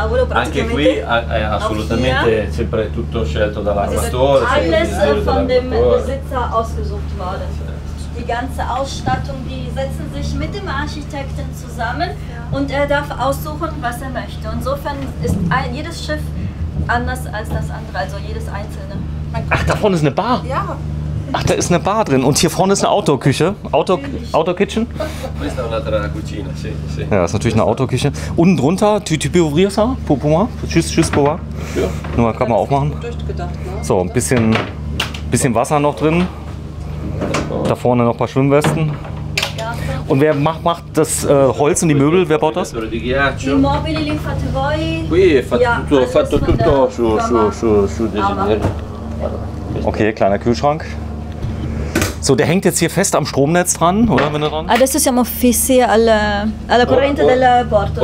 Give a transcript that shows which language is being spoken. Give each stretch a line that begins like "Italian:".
Italian: Anche qui, assolutamente, sempre tutto scelto dall'armatore.
German: Alles von dem Besitzer ausgesucht worden. Die ganze Ausstattung, die setzen sich mit dem Architekten zusammen und er darf aussuchen, was er möchte. Insofern ist jedes Schiff anders als das andere, also jedes einzelne. Ach, da vorne ist eine Bar? Ja. Ach, da ist eine Bar drin. Und hier vorne ist eine Outdoor-Küche. Outdoor-Kitchen?
Italian: Questa è un'altra cucina, sì.
German: Ja, das ist natürlich eine Outdoor-Küche. Unten drunter,
French: tu peux ouvrir ça? Pour moi? Tschüss, pour moi.
German: Nur mal, kann man aufmachen. So, ein bisschen Wasser noch drin. Da vorne noch ein paar Schwimmwesten. Und wer macht das Holz und die Möbel? Wer baut das? Die Möbel, die
Italian: fate voi. Qui è fatto tutto su designer.
German: Okay, kleiner Kühlschrank. So, der hängt jetzt hier fest am Stromnetz dran, oder wenn er dran?
Italian: Adesso siamo fissi alla corrente del porto.